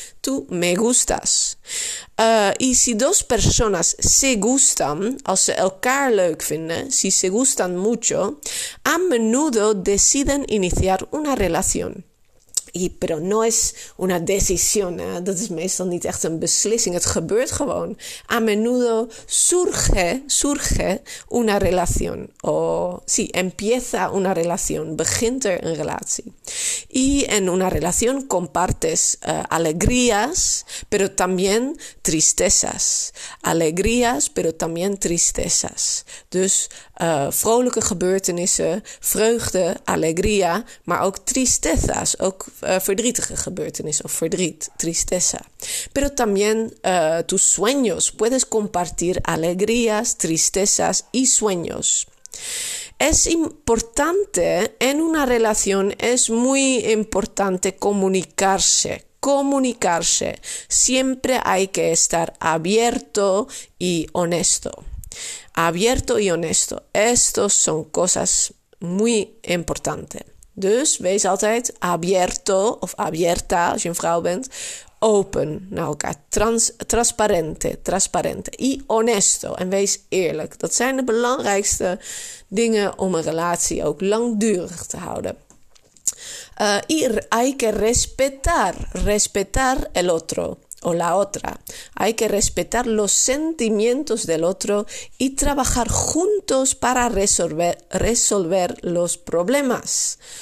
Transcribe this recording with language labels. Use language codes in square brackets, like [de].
[es] Tú me gustas. Y si dos personas se gustan, [nl] als ze elkaar leuk vinden, [es] si se gustan mucho, a menudo deciden iniciar una relación. Pero no es una decisión, ¿eh? [nl] Dat is meestal niet echt een beslissing. Het gebeurt gewoon. [es] A menudo surge una relación. O sí, empieza una relación. [nl] Begint er een relatie. [es] Y en una relación compartes alegrías, pero también tristezas. Alegrías, pero también tristezas. [nl] Dus vrolijke gebeurtenissen, vreugde, alegría, maar ook tristezas, ook verdrietige gebeurtenissen of verdriet, tristeza. [es] Pero también tus sueños, puedes compartir alegrías, tristezas y sueños. Es importante, en una relación es muy importante comunicarse. Comunicarse. Siempre hay que estar abierto y honesto. Abierto y honesto. Estos son cosas muy importantes. [nl] Dus wees altijd abierto of abierta, als je een vrouw bent, open naar elkaar. Transparente. [es] Y honesto. [nl] En wees eerlijk. Dat zijn de belangrijkste dingen om een relatie ook langdurig te houden. [es] Hay que respetar el otro. O la otra. Hay que respetar los sentimientos del otro y trabajar juntos para resolver los problemas.